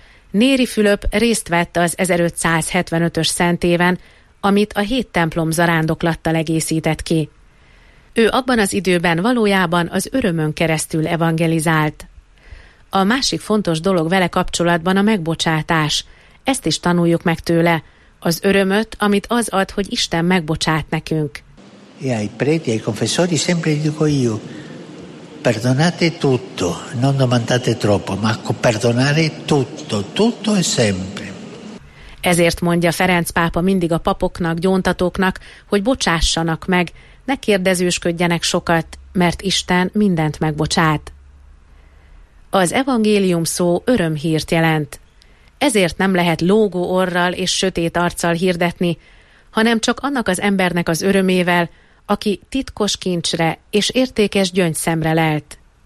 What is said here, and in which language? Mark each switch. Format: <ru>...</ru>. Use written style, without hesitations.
<hu>Néri Fülöp részt vett az 1575-ös szentéven, amit a hét templom zarándoklattal egészített ki. Ő abban az időben valójában az örömön keresztül evangelizált. A másik fontos dolog vele kapcsolatban a megbocsátás. Ezt is tanuljuk meg tőle, az örömöt, amit az ad, hogy Isten megbocsát nekünk.</hu> <it>Ai preti, ai confessori sempre dico io: perdonate tutto, non domandate troppo, ma perdonare tutto, tutto e sempre.</it> <hu>Ezért mondja Ferenc pápa mindig a papoknak, gyóntatóknak, hogy bocsássanak meg, ne kérdezősködjenek sokat, mert Isten mindent megbocsát. Az evangélium szó örömhírt jelent. Ezért nem lehet lógó orral és sötét arccal hirdetni, hanem csak annak az embernek az örömével, aki titkos kincsre és értékes gyöngyszemre lelt.</hu>